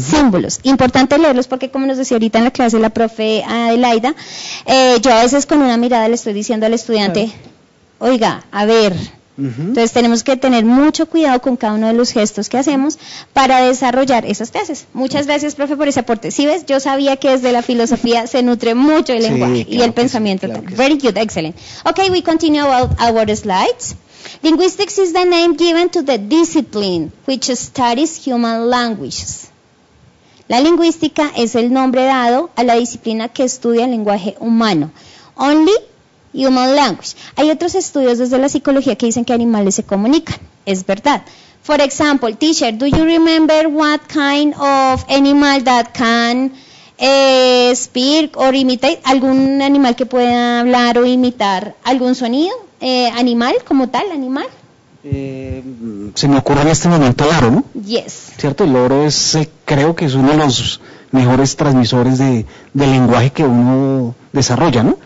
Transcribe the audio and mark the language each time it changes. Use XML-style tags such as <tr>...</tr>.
<es>Símbolos, importante leerlos porque como nos decía ahorita en la clase la profe Adelaida, yo a veces con una mirada le estoy diciendo al estudiante, oiga, a ver, entonces tenemos que tener mucho cuidado con cada uno de los gestos que hacemos para desarrollar esas clases. Muchas gracias, profe, por ese aporte. Sí, ves, yo sabía que desde la filosofía se nutre mucho el lenguaje, sí, claro, y el pensamiento. Sí, claro.</es> <en>Very good, excellent. Okay, we continue about our slides. Linguistics is the name given to the discipline which studies human languages.</en> <es>La lingüística es el nombre dado a la disciplina que estudia el lenguaje humano.</es> <en>Only human language.</en> <es>Hay otros estudios desde la psicología que dicen que animales se comunican. Es verdad.</es> <en>For example, teacher, do you remember what kind of animal that can speak or imitate?</en> <es>¿Algún animal que pueda hablar o imitar algún sonido? ¿Animal como tal, animal? Se me ocurre en este momento el loro, ¿no?</es> <en>Yes.</en> <es>¿Cierto? El loro es, creo que es uno de los mejores transmisores de lenguaje que uno desarrolla, ¿no?</es>